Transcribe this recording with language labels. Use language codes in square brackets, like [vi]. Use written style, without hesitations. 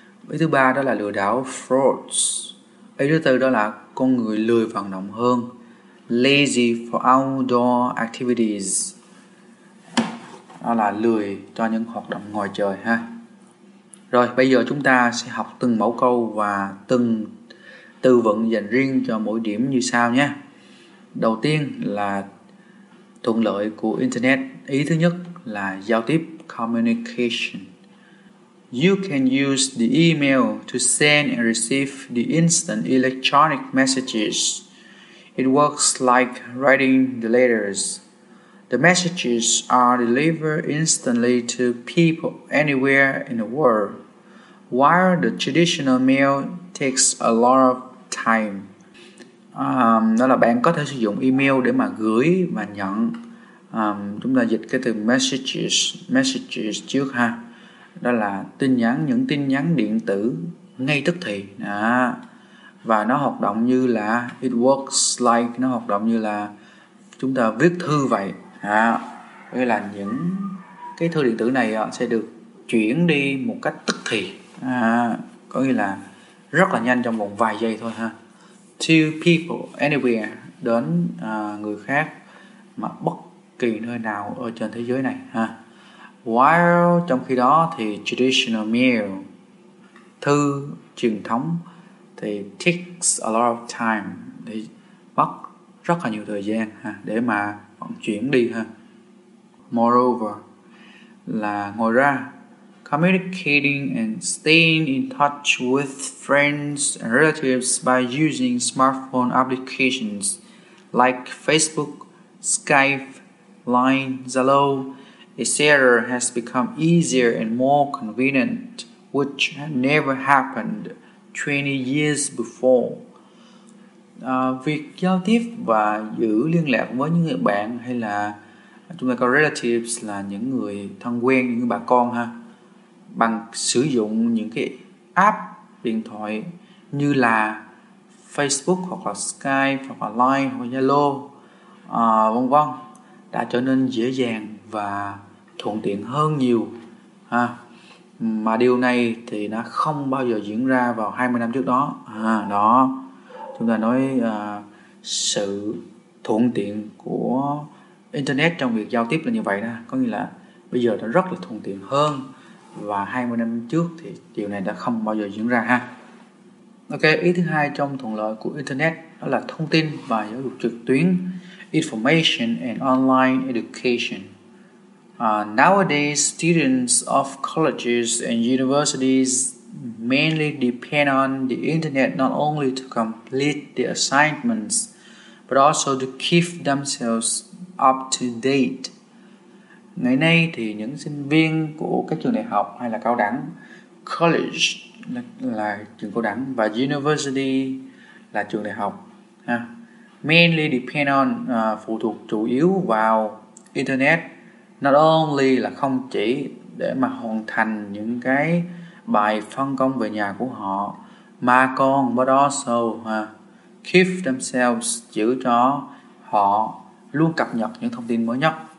[vi] Ý thứ ba đó là lừa đảo, frauds. Ý thứ tư đó là con người lười vận động hơn, [en] lazy for outdoor activities, [vi] đó là lười cho những hoạt động ngoài trời ha. Rồi, bây giờ chúng ta sẽ học từng mẫu câu và từng từ vựng dành riêng cho mỗi điểm như sau nhé. Đầu tiên là thuận lợi của Internet. Ý thứ nhất là giao tiếp, communication. [en] You can use the email to send and receive the instant electronic messages. It works like writing the letters. The messages are delivered instantly to people anywhere in the world. while the traditional meal takes a lot of time. [vi] Đó là bạn có thể sử dụng email để mà gửi và nhận. Chúng ta dịch cái từ messages trước ha. Đó là tin nhắn, những tin nhắn điện tử ngay tức thì. À, và nó hoạt động như là [en] it works like, [vi] nó hoạt động như là chúng ta viết thư vậy. À, đây là những cái thư điện tử này sẽ được chuyển đi một cách tức thì. À, có nghĩa là rất là nhanh, trong vòng vài giây thôi ha. [en] To people anywhere, [vi] đến người khác mà bất kỳ nơi nào ở trên thế giới này ha. While, trong khi đó thì [en] traditional meal, [vi] thư truyền thống, thì [en] takes a lot of time, [vi] thì mất rất là nhiều thời gian ha, để mà vận chuyển đi ha. [en] Moreover, [vi] là ngoài ra, [en] communicating and staying in touch with friends and relatives by using smartphone applications like Facebook, Skype, Line, Zalo, etc. has become easier and more convenient, which had never happened 20 years before. [vi] Việc giao tiếp và giữ liên lạc với những người bạn hay là chúng ta có relatives là những người thân quen, những người bà con ha, bằng sử dụng những cái app điện thoại như là Facebook hoặc là Skype hoặc là Line hoặc Zalo vân vân đã trở nên dễ dàng và thuận tiện hơn nhiều ha. Mà điều này thì nó không bao giờ diễn ra vào 20 năm trước đó. Đó, chúng ta nói sự thuận tiện của internet trong việc giao tiếp là như vậy đó, có nghĩa là bây giờ nó rất là thuận tiện hơn. Và 20 năm trước thì điều này đã không bao giờ diễn ra ha. Ok, ý thứ hai trong thuận lợi của internet đó là thông tin và giáo dục trực tuyến, [en] information and online education. Nowadays, students of colleges and universities mainly depend on the internet not only to complete their assignments but also to keep themselves up to date. [vi] Ngày nay thì những sinh viên của các trường đại học hay là cao đẳng, college là trường cao đẳng và university là trường đại học ha, [en] mainly depend on, [vi] phụ thuộc chủ yếu vào internet, [en] not only [vi] là không chỉ để mà hoàn thành những cái bài phân công về nhà của họ, mà còn [en] but also keep themselves, [vi] giữ cho họ luôn cập nhật những thông tin mới nhất.